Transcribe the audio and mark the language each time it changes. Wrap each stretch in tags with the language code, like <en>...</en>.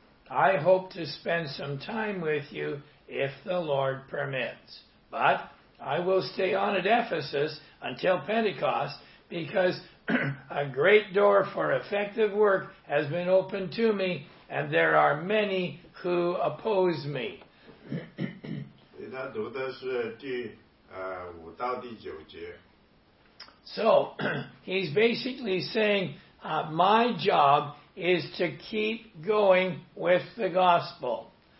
<en>I hope to spend some time with you if the Lord permits. But I will stay on at Ephesus until Pentecost because a great door for effective work has been opened to me, and there are many who oppose me.</en> <zh>他读的是第五到第九节。</zh> <en>So, he's basically saying, my job is to keep going with the gospel.</en>